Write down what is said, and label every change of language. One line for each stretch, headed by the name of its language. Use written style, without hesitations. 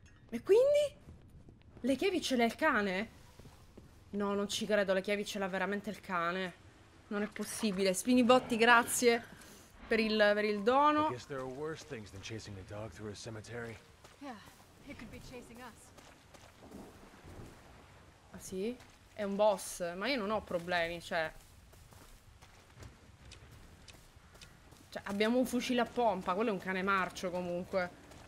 Italian: E quindi? Le chiavi ce l'ha il cane? No, non ci credo, le chiavi ce l'ha veramente il cane. Non è possibile. Spinibotti, grazie per il dono.
English: Guess there are worse things than chasing a dog through a cemetery. Yeah, it could be chasing us.
Italian: Ah sì? È un boss, ma io non ho problemi, cioè. Cioè, abbiamo un fucile a pompa, quello è un cane marcio comunque.